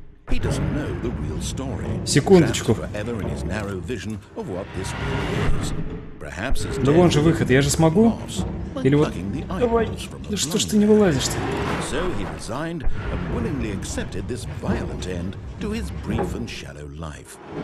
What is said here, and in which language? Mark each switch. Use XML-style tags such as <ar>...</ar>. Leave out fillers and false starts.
<en>He doesn't know the real story.</en> <ru>Секундочку.</ru> <en>Forever in his narrow vision of what this world is. Perhaps it's dead.</en> <ru>Да вон же выход, я же смогу. Или вот. Давай. Да что ж ты не вылазишь-то?</ru> <en>So he resigned and willingly accepted this violent end to his brief and shallow life.</en>